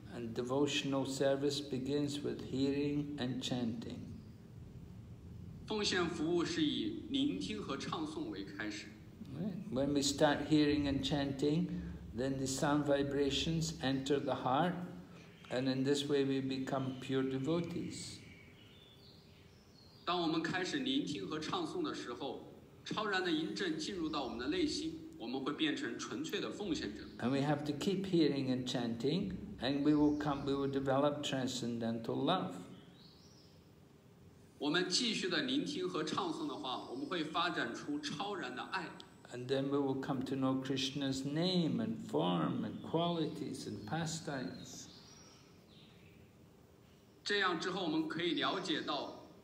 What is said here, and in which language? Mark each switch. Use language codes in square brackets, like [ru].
[en] And devotional service begins with hearing and chanting. [zh] 奉献服务是以聆听和唱诵为开始。 [en] When we start hearing and chanting, then the sound vibrations enter the heart, and in this way we become pure devotees. [zh] 当我们开始聆听和唱诵的时候，超然的音阵进入到我们的内心，我们会变成纯粹的奉献者。 [en] And we have to keep hearing and chanting, and we will develop transcendental love. [zh] 我们继续的聆听和唱诵的话，我们会发展出超然的爱。 [en] And then we will come to know Krishna's name and form and qualities and pastimes. [zh] 这样之后，我们可以了解到。